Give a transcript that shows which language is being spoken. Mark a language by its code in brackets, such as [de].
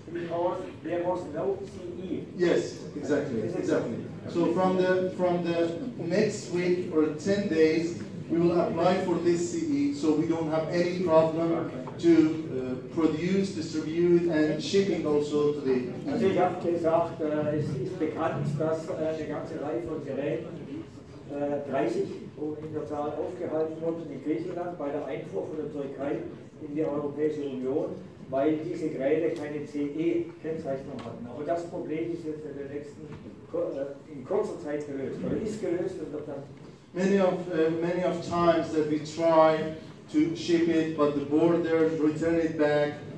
[en] Because there was no CE. Yes, exactly. So from the next week or 10 days, we will apply for this CE, so we don't have any problem to produce, distribute, and shipping also to the. [de] Also, ich habe gesagt, es ist bekannt, dass eine ganze Reihe von Geräten 30 in der Zahl aufgehalten wurden in Griechenland bei der Einfuhr von der Türkei in die Europäische Union. Weil diese Geräte keine CE-Kennzeichnung hatten. Aber das Problem ist jetzt in der nächsten in kurzer Zeit gelöst. Oder ist gelöst und dann. [en] Many of times that we try to ship it, but the borders return it back.